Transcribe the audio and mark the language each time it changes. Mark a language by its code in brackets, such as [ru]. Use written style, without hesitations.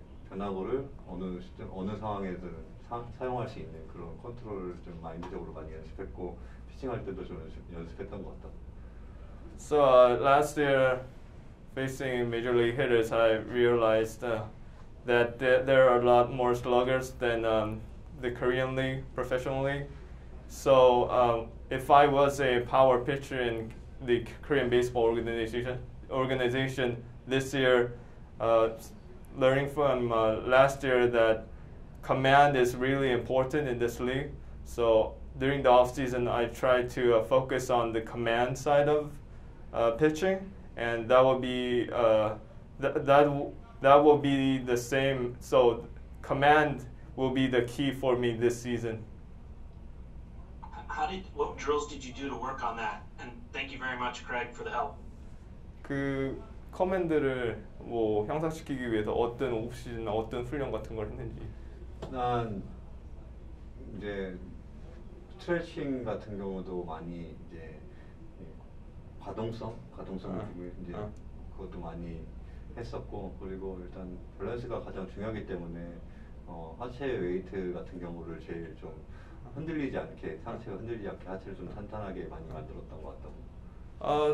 [ko] 변화구를 어느 상황에든 사용할 수 있는 그런 컨트롤을 좀 마인드적으로 많이 연습했고 피칭할 때도 좀 연습했던 것 같다. [en] So last year, facing major league hitters, I realized that there are a lot more sluggers than the Korean League, professional league. So if I was a power pitcher in the Korean baseball organization this year, learning from last year that command is really important in this league. So during the off season, I try to focus on the command side of pitching, and that will be that will be the same. So command will be the key for me this season. What drills did you do to work on that? And thank you very much, Craig, for the help. [ko] 그 커맨드를 뭐 향상시키기 위해서 어떤 옵시즌, 어떤 훈련 같은 걸 했는지. 난 이제 스트레칭 같은 경우도 많이 이제 가동성 이제 그것도 많이 했었고, 그리고 일단 밸런스가 가장 중요하기 때문에 하체 웨이트 같은 경우를 제일 좀 흔들리지 않게, 상체가 흔들리지 않게 하체를 좀 탄탄하게 많이 만들었던 것 같다고.